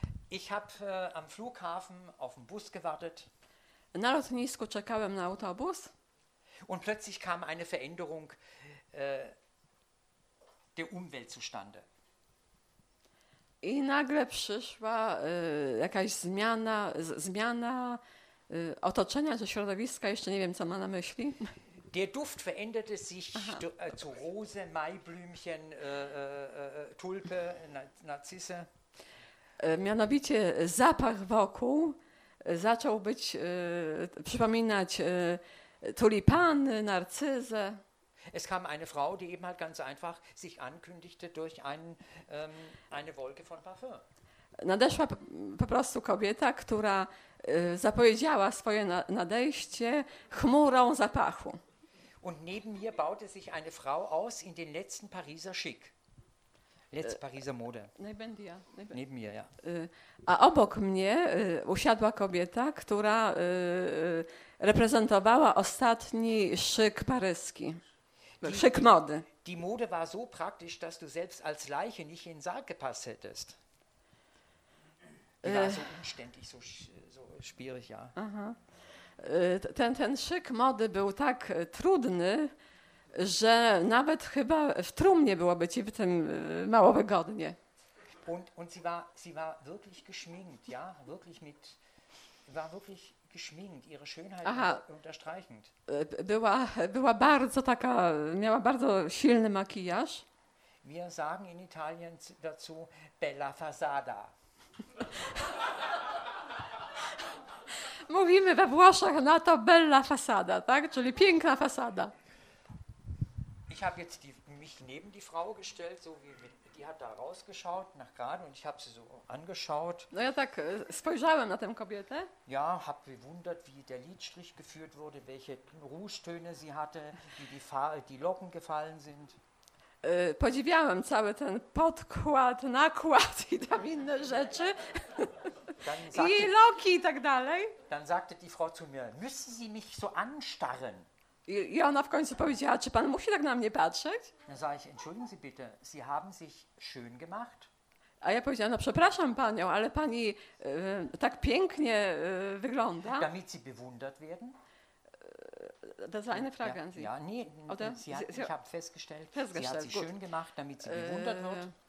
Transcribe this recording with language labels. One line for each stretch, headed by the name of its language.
German: Ich habe am Flughafen auf den Bus gewartet.
Polish: Na lotnisku czekałem na autobus.
German: Und plötzlich kam eine Veränderung der Umwelt zustande.
Polish: I nagle przyszła jakaś zmiana otoczenia czy środowiska, jeszcze nie wiem, co ma na myśli.
German: Der Duft veränderte sich zu Rose, Maiblümchen, Tulpe, Narzisse.
Polish: Mianowicie zapach wokół zaczął być przypominać tulipany, narcyzę.
German: Es kam eine Frau, die eben halt ganz einfach sich ankündigte durch eine Wolke von Parfum.
Polish: Nadeszła po prostu kobieta, która zapowiedziała swoje nadejście chmurą zapachu.
German: Und neben mir baute sich eine Frau aus in den letzten Pariser Schick. Letz Pariser Mode. Neben mir, ja.
Polish: A obok mnie usiadła kobieta, która reprezentowała ostatni szyk paryski. Szyk mody.
German: Die Mode war so praktisch, dass du selbst als Leiche nicht in den Sarg gepasst hättest. Die war so umständlich, so schwierig, ja.
Polish: Ten szyk mody był tak trudny, że nawet chyba w trumnie byłoby ci w tym mało wygodnie.
German: Und sie war wirklich geschminkt, ja, wirklich mit, war wirklich geschminkt, ihre Schönheit Aha. unterstreichend.
Polish: Była bardzo taka, miała bardzo silny makijaż.
German: Wir sagen in Italien dazu Bella Fasada.
Polish: Mówimy we Włoszech na to Bella Fasada, tak? Czyli piękna fasada.
German: Ich habe jetzt mich neben die Frau gestellt, so wie mit Die hat da rausgeschaut nach gerade und ich habe sie so angeschaut.
Polish: No ja tak spojrzałem na tę kobietę.
German: Ja, hab bewundert, wie der Lidstrich geführt wurde, welche Rouge-Töne sie hatte, wie die Locken gefallen sind.
Polish: Podziwiałem cały ten podkład, nakład i tam inne rzeczy. I loki i tak dalej.
German: Dann sagte die Frau zu mir, müssen Sie mich so anstarren?
Polish: I ona w końcu powiedziała, czy pan musi tak na mnie patrzeć?
German: Entschuldigen Sie bitte, Sie haben sich schön gemacht.
Polish: A ja powiedziałam, no przepraszam panią, ale pani tak pięknie wygląda.
German: Damit Sie bewundert werden. Das war eine Frage an Sie. Ja, nie, oder? Ich habe festgestellt, Sie hat sich schön gemacht, damit Sie bewundert wird.